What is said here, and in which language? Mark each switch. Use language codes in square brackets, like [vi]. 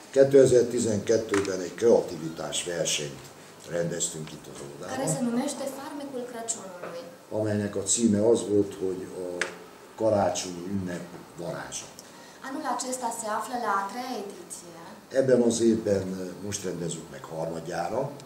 [hu] 2012-ben egy kreativitás versenyt rendeztünk itt az oldalon. [ro] Care se numește Farmecul Crăciunului. [hu] Amelynek a címe az volt, hogy a karácsonyi ünnep varázsa. [ro] Anul acesta se află la a treia ediție. [hu] Ebben az évben most rendezünk meg harmadjára.